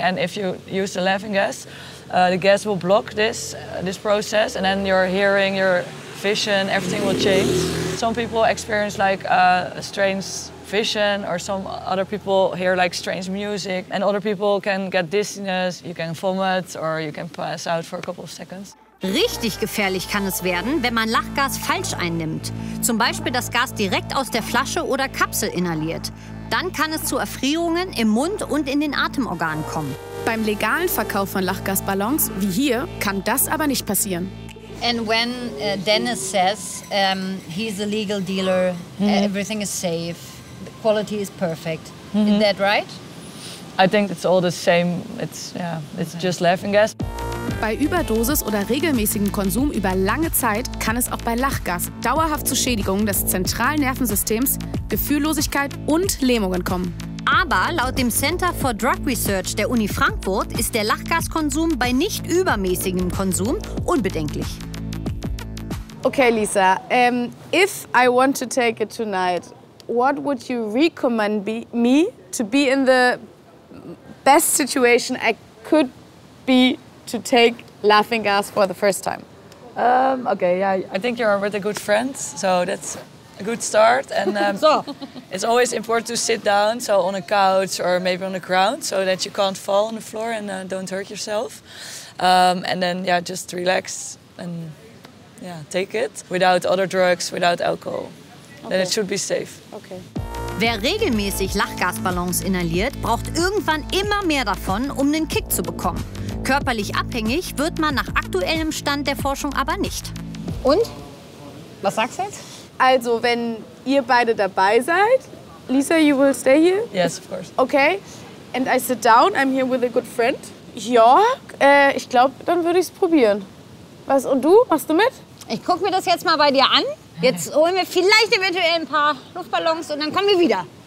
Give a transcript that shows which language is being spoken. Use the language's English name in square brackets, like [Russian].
[English] And if you use the laughing gas, the gas will block this this process, and then your hearing, your vision, everything will change. Some people experience like a strange vision, or some other people hear like strange music, and other people can get dizziness, you can vomit, or you can pass out for a couple of seconds. [German] Richtig gefährlich kann es werden, wenn man Lachgas falsch einnimmt. Zum Beispiel das Gas direkt aus der Flasche oder Kapsel inhaliert. Dann kann es zu Erfrierungen im Mund und in den Atemorganen kommen. Beim legalen Verkauf von Lachgasballons, wie hier, kann das aber nicht passieren. [English] And when Dennis says he's a legal dealer, everything is safe, the quality is perfect, is that right? I think it's all the same. It's just laughing gas. [German] Bei Überdosis oder regelmäßigem Konsum über lange Zeit kann es auch bei Lachgas dauerhaft zu Schädigungen des zentralen Nervensystems, Gefühllosigkeit und Lähmungen kommen. Aber laut dem Center for Drug Research der Uni Frankfurt ist der Lachgaskonsum bei nicht übermäßigem Konsum unbedenklich. [English] Okay, Lisa, if I want to take it tonight, what would you recommend me to be in the best situation I could be to take laughing gas for the first time? Okay, yeah, I think you're with a good friend, so that's a good start. And so it's always important to sit down, so on a couch or maybe on the ground, so that you can't fall on the floor and don't hurt yourself. And then, yeah, just relax and yeah, take it without other drugs, without alcohol. Okay. Then it should be safe. Okay. [German] Wer regelmäßig Lachgasballons inhaliert, braucht irgendwann immer mehr davon, um den Kick zu bekommen. Körperlich abhängig wird man nach aktuellem Stand der Forschung aber nicht. Und? Was sagst du jetzt? Also, wenn ihr beide dabei seid, Lisa, [English] you will stay here? Yes, of course. Okay. And I sit down, I'm here with a good friend. [German] Ja, ich glaube, dann würde ich es probieren. Was, und du, machst du mit? Ich guck mir das jetzt mal bei dir an. Jetzt holen wir vielleicht eventuell ein paar Luftballons und dann kommen wir wieder.